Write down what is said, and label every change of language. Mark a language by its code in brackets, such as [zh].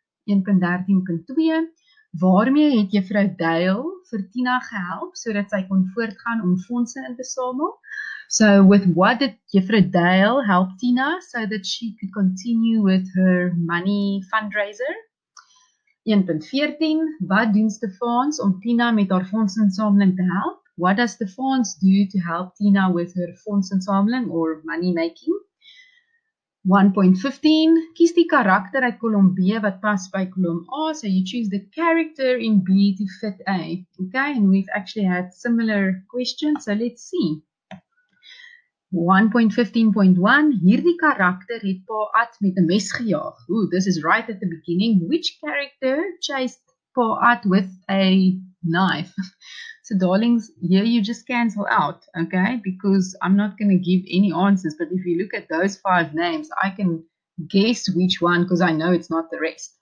[af] 1.13.2, waarmee het Juffrou Duil vir Tina gehelp sodat sy kon voortgaan om fondse in te samel? [en] So with what did Juffrou Duil help Tina so that she could continue with her money fundraiser? [af] 1.14, wat doen Stefans om Tina met haar fondsinsameling te help? [en] What does Stefans do to help Tina with her fondsinsameling or money making? [af] 1.15, kies die karakter uit kolom B wat pas by kolom A, [en] so you choose the character in B to fit A. Okay, and we've actually had similar questions, so let's see. [af] 1.15.1, hierdie karakter het Pa Ad met 'n mes gejaag. [en] Ooh, this is right at the beginning. Which character chased Pa Ad with a knife? So darlings, here you just cancel out, okay? Because I'm not going to give any answers, but if you look at those five names, I can guess which one because I know it's not the rest.